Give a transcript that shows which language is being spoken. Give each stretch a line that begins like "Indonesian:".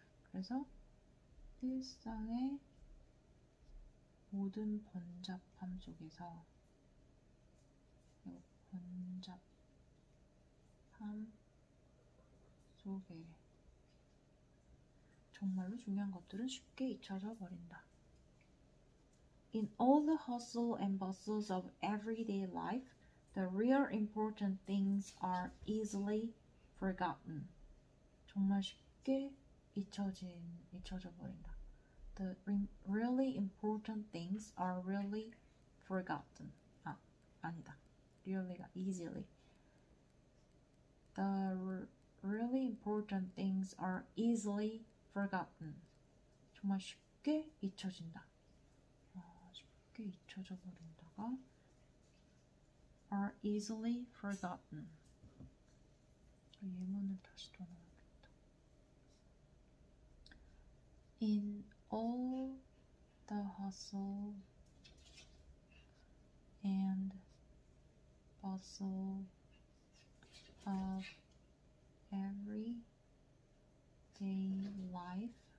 Korean: 그래서 일상의 모든 번잡함 속에서 번잡함 속에 정말로 중요한 것들은 쉽게 잊혀져 버린다.
English: In all the hustle and bustles of everyday life, the real important things are easily forgotten.
Korean: 정말 쉽게 잊혀져 버린다.
English: The really important things are really forgotten.
Korean: 아, 아니다.
English: Really가 easily. The really important things are easily forgotten.
Korean: 정말 쉽게 잊혀진다. 아, 쉽게 잊혀져 버린다가
English: are easily forgotten.
Korean: 예문을 다시 돌아가겠다.
English: In all the hustle and bustle of everyday life,